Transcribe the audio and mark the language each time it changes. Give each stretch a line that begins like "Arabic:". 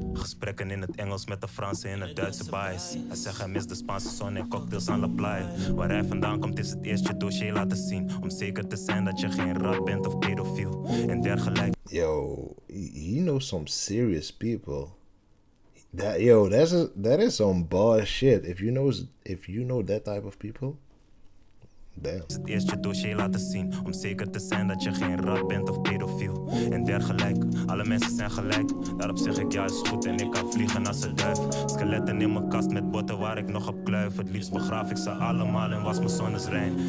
Dutch: Gesprekken in het Engels met de Franse in het Duitse bias. Hij zegt hij mist de Spaanse zon en cocktails aan La Playa. Waar hij vandaan komt is het eerst je dossier laten zien. Om zeker te zijn dat je geen rat bent of pedofiel en dergelijke.
English: Yo, he knows some serious people. That, yo, that is some boss shit. If you know that type of people.
Dutch: Is het eerst je dossier laten zien. Om zeker te zijn dat je geen rat bent of pedofiel. En dergelijk, alle mensen zijn gelijk. Daarop zeg ik ja, is goed en ik kan vliegen als een duif. Skeletten in mijn kast met botten waar ik nog op kluif. Het liefst begraaf ik ze allemaal en was mijn zon is rein.